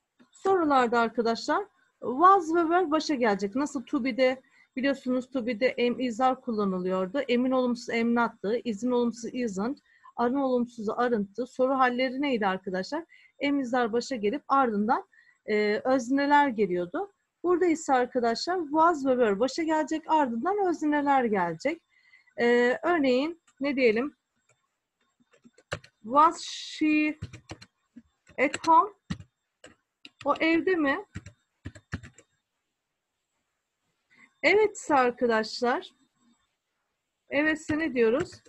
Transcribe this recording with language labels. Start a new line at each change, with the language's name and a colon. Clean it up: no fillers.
Turkish: Sorularda arkadaşlar was ve were başa gelecek. Nasıl to be'de, biliyorsunuz to be'de am is are kullanılıyordu. Am'in olumsuz am not'tı. Is'in olumsuz isn't. Are'ın olumsuzu aren't'tı. Soru halleri neydi arkadaşlar? Am is are başa gelip ardından özneler geliyordu. Burada ise arkadaşlar was ve were başa gelecek. Ardından özneler gelecek. Örneğin ne diyelim?
English: Was she at home?
Turkish: O evde mi? Evet ise arkadaşlar. Evet ise ne diyoruz?